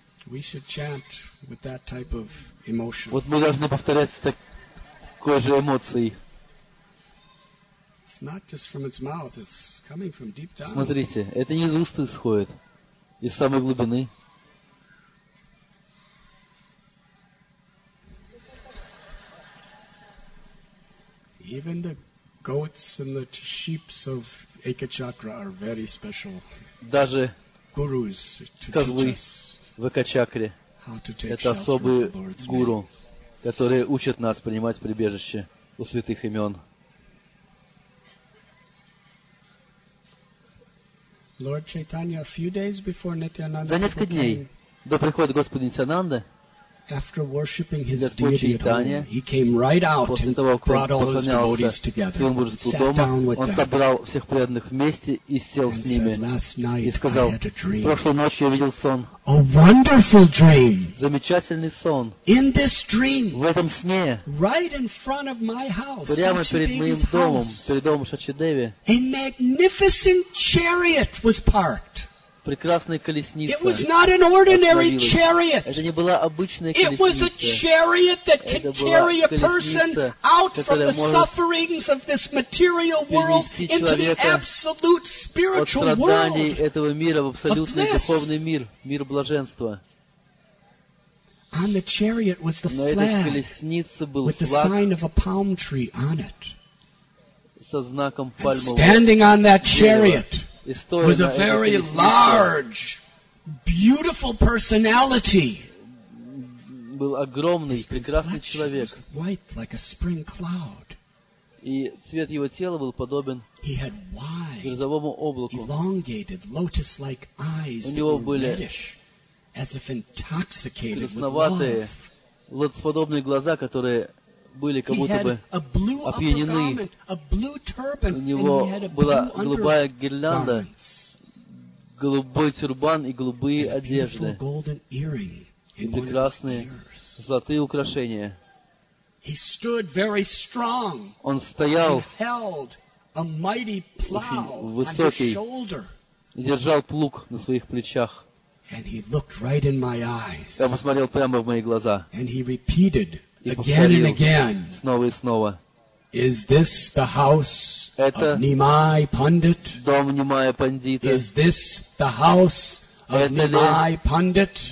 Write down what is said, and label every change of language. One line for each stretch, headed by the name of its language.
English: we should chant with that type of emotion.
Russian: Вот мы должны повторять с такой же эмоцией.
English: It's not just from its mouth, it's coming from deep down.
Russian: Смотрите, это не из уст исходит, из самой глубины.
English: Even the goats and the sheep of Ekachakra are very special.
Russian: Даже
English: gurus
Russian: козлы в Экачакре — это особые гуру, которые учат нас принимать прибежище у святых имен.
English: Lord Chaitanya, a few days before Nityananda came,
Russian: за несколько дней до прихода Господа Нитянанда,
English: after worshipping his deity at home, he came right out and brought all his devotees together, sat down with them, and said, last night I had a dream. Oh, wonderful dream!
Russian: Замечательный сон.
English: In this dream,
Russian: в этом сне,
English: right in front of my house,
Russian: прямо перед моим домом, перед домом Шачидеви,
English: a magnificent chariot was parked.
Russian: Прекрасная колесница.
English: It was not an ordinary chariot.
Russian: Это не была обычная колесница.
English: It was a chariot that could carry a person out from the sufferings of this material world into the absolute spiritual world.
Russian: От страданий этого мира в абсолютный духовный мир, мир блаженства.
English: On the chariot was the flag with the sign of a palm tree on it. And standing on that chariot was a very large, beautiful personality.
Russian: Был огромный, прекрасный человек.
English: White, like a spring cloud.
Russian: И цвет его тела был подобен грозовому облаку.
English: Elongated, lotus-like eyes,
Russian: у него были
English: reddish, as if intoxicated
Russian: красноватые, лотосподобные глаза, которые были как будто бы опьянены.
English: Turban,
Russian: у него была голубая гирлянда, голубой тюрбан и голубые одежды. И прекрасные золотые украшения.
English: He stood very strong.
Russian: Он стоял
English: and held a mighty plow on his shoulder.
Russian: И держал плуг на своих плечах.
English: And he looked right in my eyes.
Russian: Он посмотрел прямо в мои глаза.
English: And he repeated again and again.
Russian: Снова и снова.
English: Is this the house of Nimai Pandit?
Russian: Дом Нимая Пандита.
English: Is this the house of Nimai Pandit?